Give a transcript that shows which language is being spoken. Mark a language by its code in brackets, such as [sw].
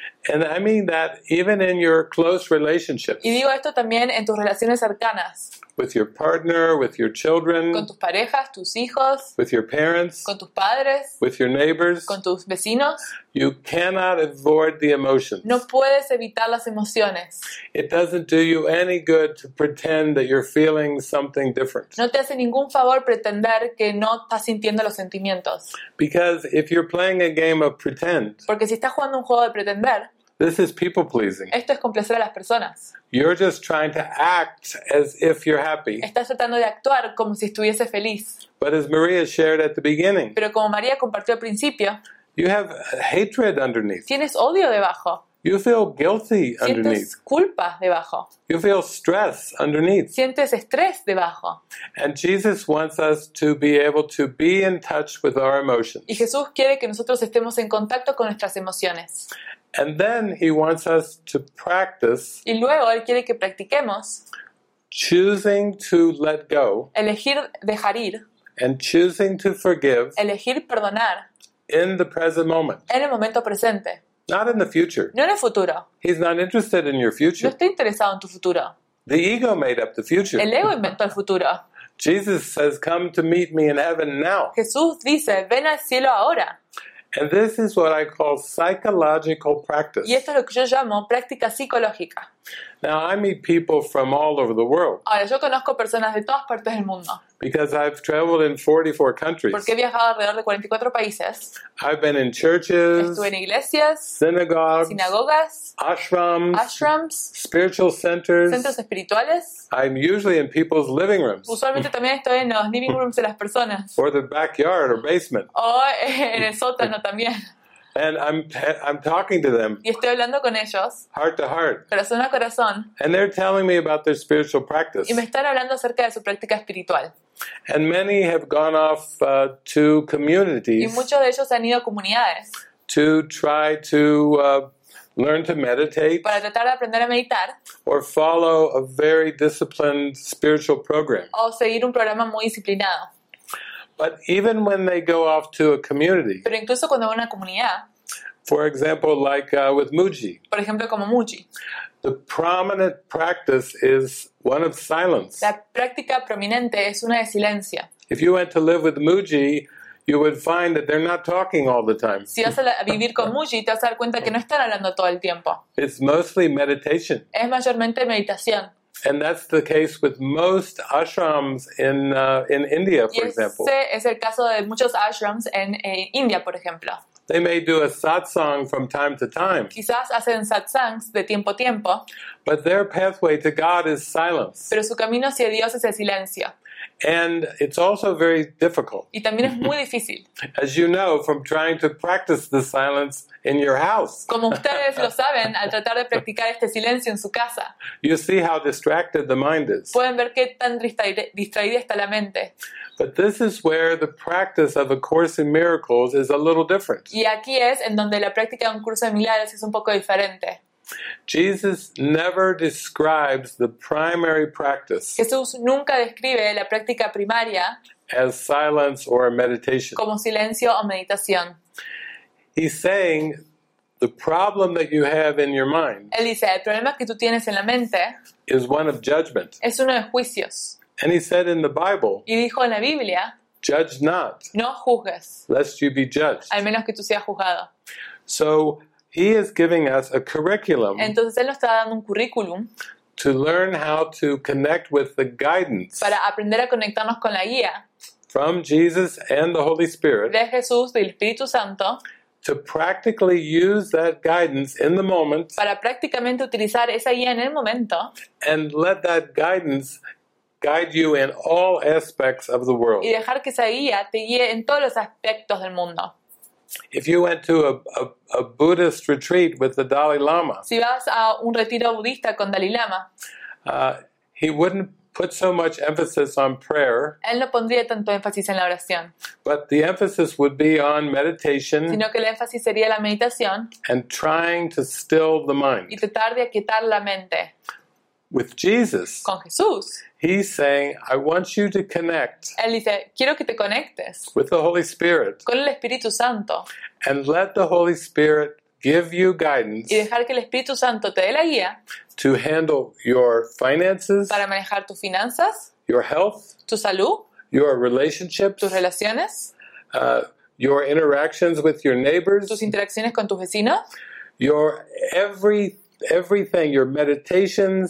[en] And I mean that even in your close relationships. [es] Y digo esto también en tus relaciones cercanas. [en] With your partner, with your children. [es] Con tus parejas, tus hijos. [en] With your parents. [es] Con tus padres. [en] With your neighbors. [es] Con tus vecinos. [en] You cannot avoid the emotions. [es] No puedes evitar las emociones. [en] It doesn't do you any good to pretend that you're feeling something different. [es] No te hace ningún favor pretender que no estás sintiendo los sentimientos. [en] Because if you're playing a game of pretend. [es] Porque si estás jugando un juego de pretender. [en] This is people pleasing. [es] Esto es complacer a las personas. [en] You're just trying to act as if you're happy. [es] Estás tratando de actuar como si estuviese feliz. [en] But as Maria shared at the beginning. [es] Pero como María compartió al principio. [en] You have hatred underneath. [es] Tienes odio debajo. [en] You feel guilty underneath. [es] Sientes culpa debajo. [en] You feel stress underneath. [es] Sientes estrés debajo. [en] And Jesus wants us to be able to be in touch with our emotions. [es] Y Jesús quiere que nosotros estemos en contacto con nuestras emociones. [en] And then he wants us to practice. [es] Y luego él quiere que practiquemos. [en] Choosing to let go. [es] Elegir dejar ir. [en] And choosing to forgive. [es] Elegir perdonar. [en] In the present moment. [es] En el momento presente. [en] Not in the future. [es] No en el futuro. [en] He's not interested in your future. [es] No está interesado en tu futuro. [en] The ego made up the future. [es] El ego inventó el futuro. [en] Jesus says, "Come to meet me in heaven now." [es] Jesús dice, "Ven al cielo ahora." [en] And this is what I call psychological practice. [es] Y esto es lo que yo llamo práctica psicológica. [en] Now I meet people from all over the world. [es] Ahora, yo conozco personas de todas partes del mundo. [en] Because I've traveled in 44 countries. [es] Porque he viajado alrededor de 44 países. [en] I've been in churches. [es] Estuve en iglesias. [en] Synagogues. [es] Sinagogas. [en] Ashrams. [es] Ashrams. [en] Spiritual centers. [es] Centros espirituales. [en] I'm usually in people's living rooms. [es] Usualmente también estoy en los [en] living rooms [es] de las personas. [en] Or the backyard or basement. [es] O en el sótano también. [en] And I'm talking to them. [es] Y estoy hablando con ellos. [en] Heart to heart. [es] Corazón a corazón. [en] And they're telling me about their spiritual practice. [es] Y me están hablando acerca de su práctica espiritual. [en] And many have gone off to communities. [es] Y muchos de ellos han ido a comunidades. [en] To try to learn to meditate. [es] Para tratar de aprender a meditar. [en] Or follow a very disciplined spiritual program. [es] O seguir un programa muy disciplinado. [en] But even when they go off to a community, [es] pero incluso cuando van a una comunidad, [en] for example, like with Muji, [es] por ejemplo, como Muji, [en] the prominent practice is one of silence. [es] La práctica prominente es una de silencio. [en] If you went to live with Muji, you would find that they're not talking all the time. [es] Si vas a vivir con Muji, te vas a dar cuenta que no están hablando todo el tiempo. [en] It's mostly meditation. [es] Es mayormente meditación. [en] And that's the case with most ashrams in India, for example. [es] Y ese es el caso de muchos ashrams en India, por ejemplo. [en] They may do a satsang from time to time. [es] Quizás hacen satsangs de tiempo a tiempo. [en] But their pathway to God is silence. [es] Pero su camino hacia Dios es el silencio. [en] And it's also very difficult. [es] Y también es muy difícil. [en] As you know, from trying to practice the silence in your house. [es] Como ustedes lo saben, al tratar de practicar este silencio en su casa. [en] You see how distracted the mind is. [es] Pueden ver qué tan distraída está la mente. [en] But this is where the practice of A Course in Miracles is a little different. [es] Y aquí es en donde la práctica de Un Curso de Milagros es un poco diferente. [en] Jesus never describes the primary practice. [es] Jesús nunca describe la práctica primaria [en] as silence or meditation. [es] Como silencio o meditación. [en] He's saying the problem that you have in your mind. [es] Él dice, el problema que tú tienes en la mente [en] is one of judgment. [es] Es uno de juicios. [en] And he said in the Bible. [es] Y dijo en la Biblia. [en] Judge not. [es] No juzgues. [en] Lest you be judged. [es] Al menos que tú seas juzgado. [en] So he is giving us a curriculum. [es] Entonces él nos está dando un currículum. [en] To learn how to connect with the guidance. [es] Para aprender a conectarnos con la guía. [en] From Jesus and the Holy Spirit. [es] De Jesús y el Espíritu Santo. [en] To practically use that guidance in the moment. [es] Para prácticamente utilizar esa guía en el momento. [en] And let that guidance guide you in all aspects of the world. [es] Y dejar que esa guía te guíe en todos los aspectos del mundo. [en] If you went to a Buddhist retreat with the Dalai Lama. [es] Si vas a un retiro budista con Dalai Lama. [en] He wouldn't put so much emphasis on prayer. [es] Él no pondría tanto énfasis en la oración. [en] But the emphasis would be on meditation. [es] Sino que el énfasis sería la meditación. [en] And trying to still the mind. [es] Y tratar de aquietar la mente. [en] With Jesus. [es] Con Jesús. [en] He's saying, I want you to connect. [es] Él dice, quiero que te conectes. [en] With the Holy Spirit. [es] Con el Espíritu Santo. [en] And let the Holy Spirit give you guidance. [es] Y dejar que el Espíritu Santo te dé la guía. [en] To handle your finances. [es] Para manejar tus finanzas. [en] Your health. [es] Tu salud. [en] Your relationships. [es] Tus relaciones. [en] Your interactions with your neighbors. [es] Tus interacciones con tus vecinos. [en] Your everything, your meditations.